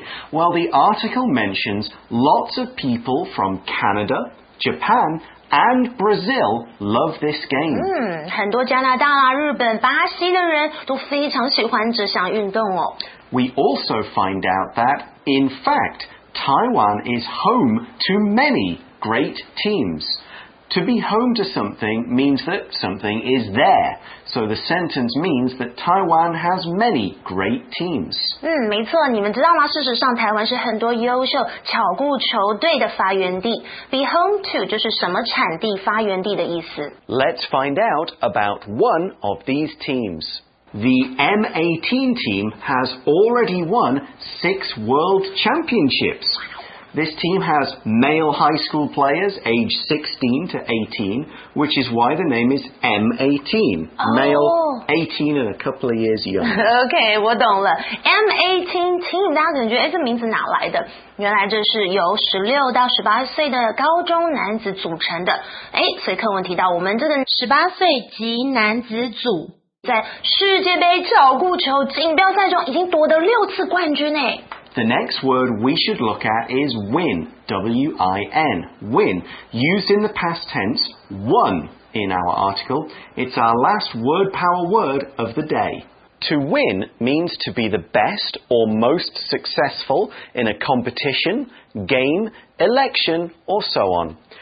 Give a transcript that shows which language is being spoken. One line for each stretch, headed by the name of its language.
English: Okay, well, the article mentions lots of people from Canada, Japan, and Brazil love this game.
Chinese: 很多加拿大、日本、巴西的人都非常喜欢这项运动哦。
English: We also find out that, in fact, Taiwan is home to many great teams. To be home to something means that something is there. So the sentence means that Taiwan has many great teams.
Chinese: 没错，你们知道吗？事实上，台湾是很多优秀巧固球队的发源地。
English: Be home to
Chinese: 就是什么产地、发源地的意思。
English: Let's find out about one of these teams. The M18 team has already won 6 world championships. This team has male high school players aged 16 to 18, which is why the name is M18. Oh. Male 18 and a couple of years young. Okay,
Chinese: 我懂了。M18 team, 大家感觉，诶，这名字哪来的？原来这是由16到18岁的高中男子组成的。诶，所以课文提到我们这个18岁级男子组在世界杯脚固球锦标赛中已经夺得6次冠军诶。
English: The next word we should look at is win, W-I-N, win, used in the past tense, won, in our article. It's our last word power word of the day. To win means to be the best or most successful in a competition, game, election, or so on.